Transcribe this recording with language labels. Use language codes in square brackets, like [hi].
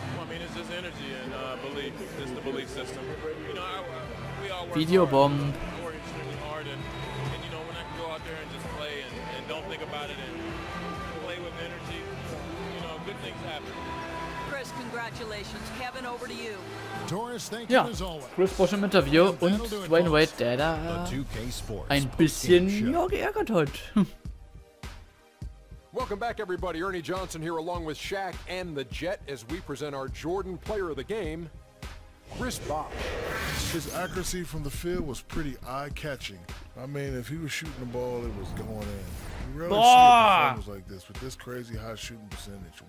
[en] Well, I mean, it's just energy and belief. It's the belief system. You know, we all work hard. We work extremely hard and you know, when I can go out there and just play and don't think about it and play with energy, you know, good things happen. Chris, congratulations. Kevin, over to you. Doris, thank you as always. [de] Chris Bosch im Interview und Dwayne Wade, der da ein bisschen geärgert hat. [en] Welcome back, everybody. Ernie Johnson here along with Shaq and the Jet as we present our Jordan player of the game, Chris Bosch. His accuracy from the field was pretty eye-catching. I mean, if he was shooting the ball, it was going in. You rarely see a performance like this with this crazy high shooting percentage.